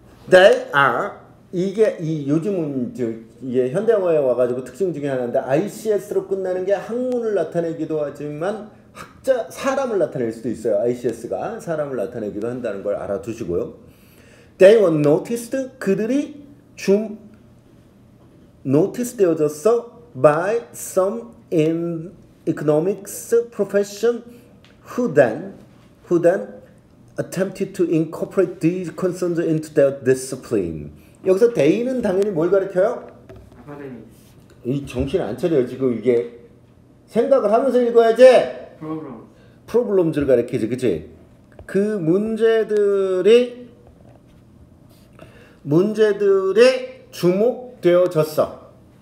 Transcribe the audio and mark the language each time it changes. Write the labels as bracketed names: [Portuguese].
[English] They are [Korean] 이게 이 요즘은 이게 현대어에 와가지고 특징 중에 하나인데 ICS로 끝나는 게 학문을 나타내기도 하지만 학자 사람을 나타낼 수도 있어요. ICS가 사람을 나타내기도 한다는 걸 알아두시고요. [English] They were noticed [Korean] 그들이 좀 [English] noticed [Korean] 되어졌어 [English] by some in economics profession who then attempted to incorporate these concerns into their discipline. [Korean] 여기서 데이는 당연히 뭘 가르쳐요? 아카데믹스. 이 정신 안 차려요 지금 이게. 생각을 하면서 읽어야지. 프로블럼즈를 가르치지, 그치? 그 문제들이 주목되어졌어.